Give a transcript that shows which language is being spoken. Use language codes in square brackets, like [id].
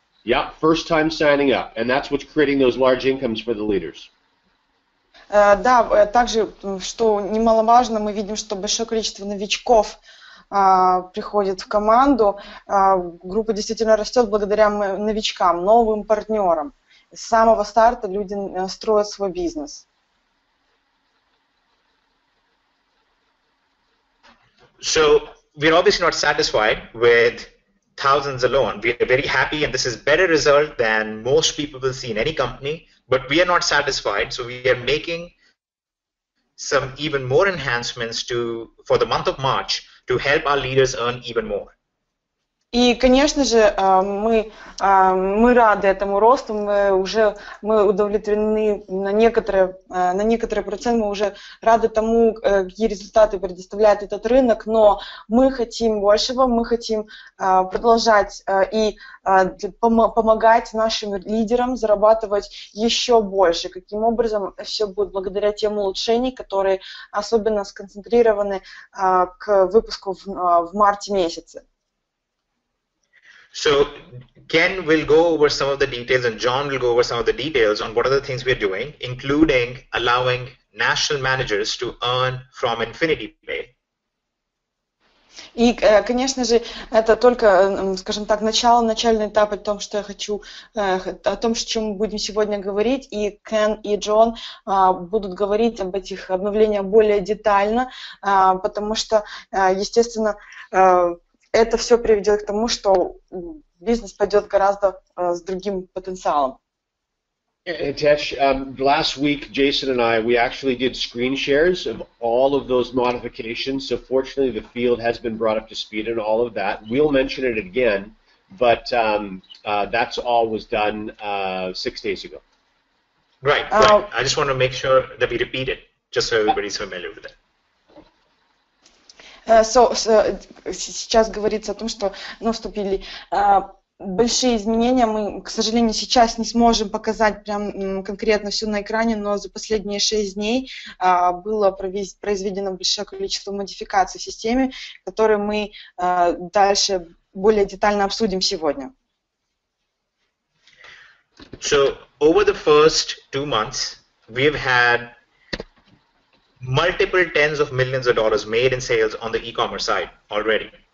[en] Yep, first time signing up. And that's what's creating those large incomes for the leaders. [ru] Да, также, что немаловажно, мы видим, что большое количество новичков приходит в команду. Группа действительно растет благодаря новичкам, новым партнерам. С самого старта люди строят свой бизнес. [en] So we're obviously not satisfied with thousands alone. We are very happy, and this is better result than most people will see in any company. But we are not satisfied, so we are making some even more enhancements for the month of March to help our leaders earn even more. [ru] И, конечно же, мы рады этому росту, мы удовлетворены на некоторый процент, мы уже рады тому, какие результаты предоставляет этот рынок, но мы хотим большего, мы хотим продолжать и помогать нашим лидерам зарабатывать еще больше. Каким образом все будет благодаря тем улучшениям, которые особенно сконцентрированы к выпуску в марте месяце. [en] So Ken will go over some of the details and John will go over some of the details on what are the things we are doing, including allowing national managers to earn from Infinity Pay. [ru] И, конечно же, это только, скажем так, начальный этап о том, о чем мы будем сегодня говорить, и Кен и Джон будут говорить об этих обновлениях более детально, потому что, естественно, это все приведет к тому, что бизнес пойдет гораздо с другим потенциалом. [en] Itesh, last week Jason and I, we actually did screen shares of all of those modifications, so fortunately the field has been brought up to speed and all of that. We'll mention it again, but that's all was done 6 days ago. Right, I just want to make sure that we repeat it, just so everybody's familiar with it. [ru] Сейчас говорится о том, что вступили большие изменения. Мы, к сожалению, сейчас не сможем показать прям конкретно все на экране, но за последние 6 дней было произведено большое количество модификаций в системе, которые мы дальше более детально обсудим сегодня. [en] So, over the first 2 months, we've had multiple tens of millions of dollars made in sales on the e-commerce side already.